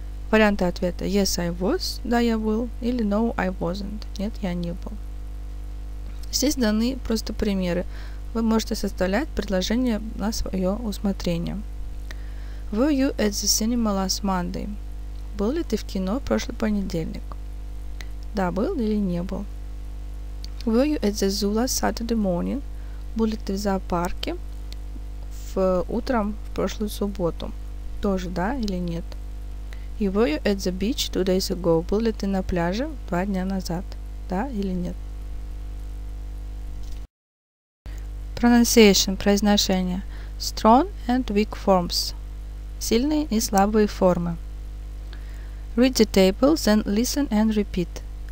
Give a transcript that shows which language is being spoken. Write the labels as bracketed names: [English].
[Russian] Варианты ответа. [English] Yes, I was. [Russian] Да, я был. Или [English] no, I wasn't. [Russian] Нет, я не был. Здесь даны просто примеры. Вы можете составлять предложение на свое усмотрение. [English] Were you at the cinema last Monday? [Russian] Был ли ты в кино прошлый понедельник? Да, был или не был. [English] Were you at the zoo last Saturday morning? [Russian] Был ли ты в зоопарке в утром в прошлую субботу? Тоже да или нет. [English] You were you at the beach 2 days ago? [Russian] Был ли ты на пляже 2 дня назад? Да или нет? [English] Pronunciation, произношение. Strong and weak forms. [Russian] Сильные и слабые формы. [English] Read the table, then listen and repeat.